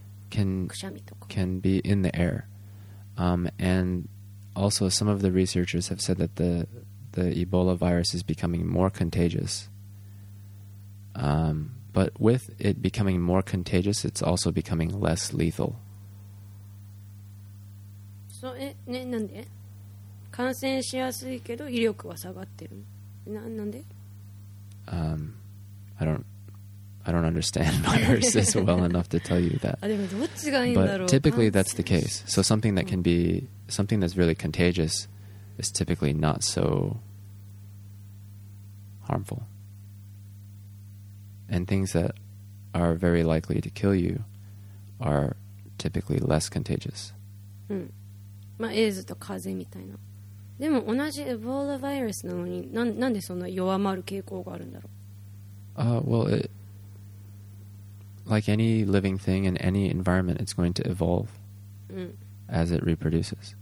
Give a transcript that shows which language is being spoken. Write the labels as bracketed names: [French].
[English] Can be in the air. And also, some of the researchers have said that the Ebola virus is becoming more contagious. But with it becoming more contagious, it's also becoming less lethal. So, why? [Japanese] 感染しやすいけど威力は下がってる。なんで? [English] I don't understand viruses well enough to tell you that. But typically that's the case. So something that can be, something that's really contagious is typically not so harmful. And things that are very likely to kill you are typically less contagious. [Japanese] まあ、エイズと風邪みたいな。でも同じエボラウイルスなのに、なんでそんな弱まる傾向があるんだろう? [English] Like any living thing in any environment, it's going to evolve as it reproduces.